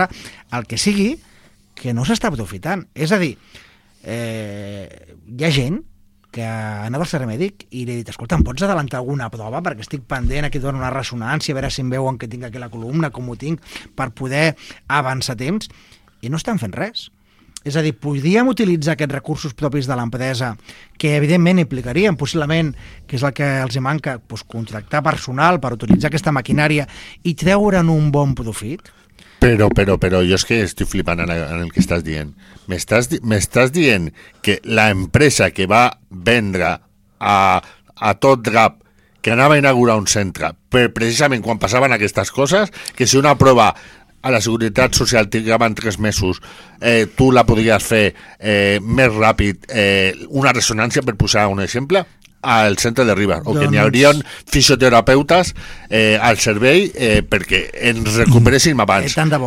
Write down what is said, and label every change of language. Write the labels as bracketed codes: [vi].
[ca] El que sigui, que no s'està aprofitant. És a dir, hi ha gent que anava al servei mèdic i li he dit, escolta, em pots adelantar alguna prova perquè estic pendent, aquí dono una ressonància, a veure si em veuen que tinc aquí la columna, com ho tinc, per poder avançar temps, i no estan fent res. És a dir, podríem utilitzar aquests recursos propis de l'empresa, que evidentment implicarien, possiblement, que és el que els manca, doncs contractar personal per utilitzar aquesta maquinària i treure'n un bon profit? [es] Pero yo es que estoy flipando en el que [ca] estás dient. [es] Me estás [ca] dient que la empresa que va vendre a tot drap, que anava a inaugurar un centre, però precisament quan passaven aquestes coses, que si una prova a la Seguretat Social trigava 3 mesos, tu la podries fer més ràpid, una ressonància, per posar un exemple, al centre de Ribas, o que n'hi haurien fisioterapeutes al servei perquè ens recuperessin abans.